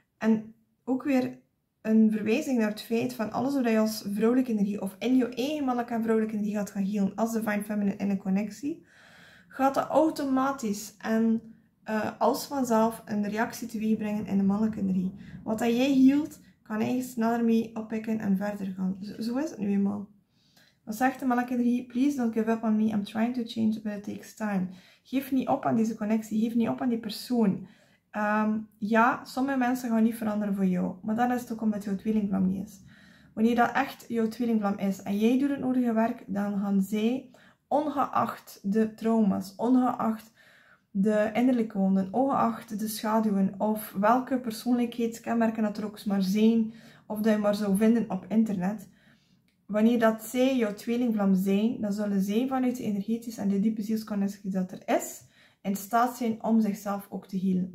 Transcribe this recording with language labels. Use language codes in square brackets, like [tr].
[nl] En ook weer een verwijzing naar het feit van alles wat je als vrouwelijke energie of in je eigen mannelijke en vrouwelijke energie gaat gaan healen als Divine Feminine in een connectie, gaat dat automatisch en als vanzelf een reactie teweeg brengen in de mannelijke energie. Wat dat jij healt, kan hij sneller mee oppikken en verder gaan. Zo is het nu eenmaal. Wat zegt de mannelijke energie? [en] Please don't give up on me. I'm trying to change, but it takes time. [nl] Geef niet op aan deze connectie. Geef niet op aan die persoon. Ja, sommige mensen gaan niet veranderen voor jou, maar dat is het ook omdat jouw tweelingvlam niet is. Wanneer dat echt jouw tweelingvlam is en jij doet het nodige werk, dan gaan zij, ongeacht de trauma's, ongeacht de innerlijke wonden, ongeacht de schaduwen of welke persoonlijkheidskenmerken dat er ook maar zijn of dat je maar zou vinden op internet, wanneer dat zij jouw tweelingvlam zijn, dan zullen zij vanuit de energetische en de diepe zielsconnectie die dat er is, in staat zijn om zichzelf ook te healen.